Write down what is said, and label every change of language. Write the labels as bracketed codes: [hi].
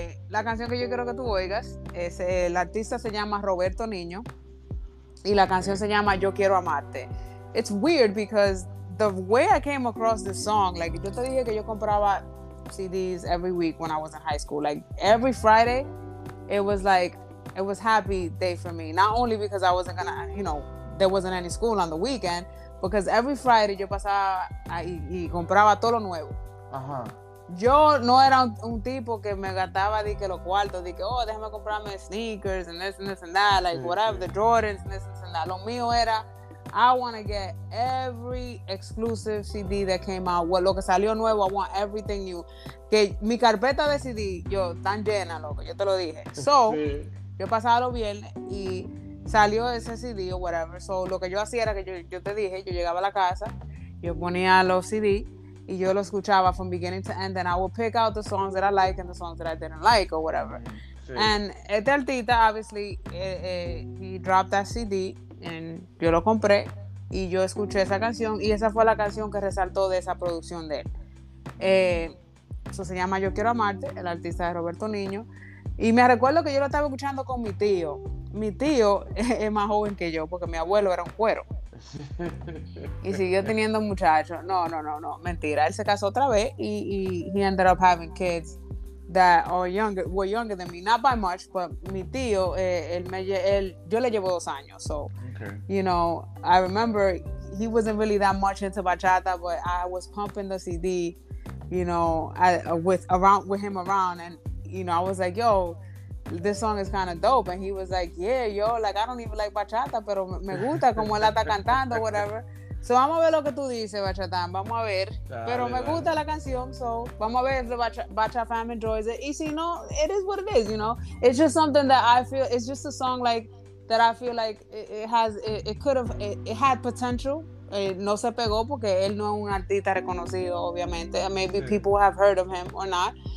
[es] La canción que yo quiero que tú oigas es, el artista se llama Roberto Niño. Y la canción se llama Yo Quiero Amarte. [en] It's weird because the way I came across this song, like, [es] yo te dije que yo compraba CDs [en] every week when I was in high school. Like, every Friday, it was happy day for me. Not only because I wasn't gonna, you know, there wasn't any school on the weekend, because every Friday [es] yo pasaba y compraba todo lo nuevo. Uh-huh. Yo no era un tipo que me gastaba de que los cuartos, de que, oh, déjame comprarme sneakers [en] and this and that, like, [es] sí, whatever, sí. [en] The Jordans and this and that. [es] Lo mío era, [en] I want to get every exclusive CD that came out. Well, [es] lo que salió nuevo, [en] I want everything new. [es] Que mi carpeta de CD, yo, tan llena, loco, yo te lo dije. So, sí. Yo pasaba los viernes y salió ese CD o whatever. So, lo que yo hacía era que yo te dije, yo llegaba a la casa, yo ponía los CD. Y yo lo escuchaba [en] from beginning to end, and I would pick out the songs that I like and the songs that I didn't like or whatever. [es] Sí. And este artista, [en] obviously, he dropped that CD, and [es] yo lo compré, y yo escuché esa canción, y esa fue la canción que resaltó de esa producción de él. Eso se llama Yo Quiero Amarte, el artista de Roberto Niño. Y me recuerdo que yo lo estaba escuchando con mi tío. Mi tío es más joven que yo, porque mi abuelo era un cuero. Y siguió teniendo muchachos. No, mentira. Él se casó otra vez y [en] he ended up having kids that were younger than me. Not by much, but [es] mi tío, yo le llevo 2 años. So, [en] okay. You know, I remember he wasn't really that much into bachata, but I was pumping the CD, you know, with him around, and you know, I was like, yo, this song is kind of dope, and he was like, yeah, yo, like, I don't even like bachata, [es] pero me gusta como él está cantando, [en] whatever. [es] So, vamos a ver lo que tú dices, Bachatan, vamos a ver. Dale, pero me gusta la canción, so, vamos a ver [en] if the Bacha fam enjoys it. [es] Y si no, [en] it is what it is, you know? It's just something that I feel, it's just a song, like, that I feel like it had potential. [es] No se pegó porque él no es un artista reconocido, obviamente. [en] Maybe people have heard of him or not.